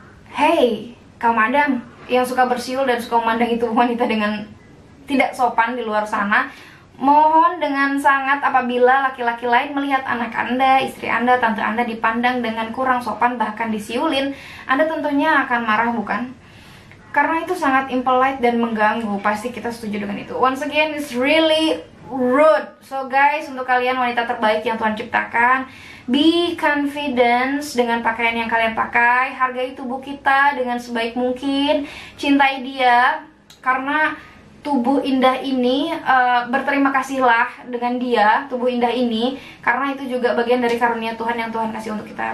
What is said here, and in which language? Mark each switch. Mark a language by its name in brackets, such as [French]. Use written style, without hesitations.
[Indonesian] Hey, kamu madam yang suka bersiul dan suka memandangi tubuh wanita dengan tidak sopan di luar sana, mohon dengan sangat apabila laki-laki lain melihat anak Anda, istri Anda, tante Anda dipandang dengan kurang sopan, bahkan disiulin, Anda tentunya akan marah, bukan? Karena itu sangat impolite dan mengganggu, pasti kita setuju dengan itu. [English] Once again, it's really rude. [Indonesian] So guys, untuk kalian wanita terbaik yang Tuhan ciptakan, [English] be confident [Indonesian] dengan pakaian yang kalian pakai, hargai tubuh kita dengan sebaik mungkin, cintai dia, karena tubuh indah ini, berterima kasihlah dengan dia, tubuh indah ini, karena itu juga bagian dari karunia Tuhan yang Tuhan kasih untuk kita.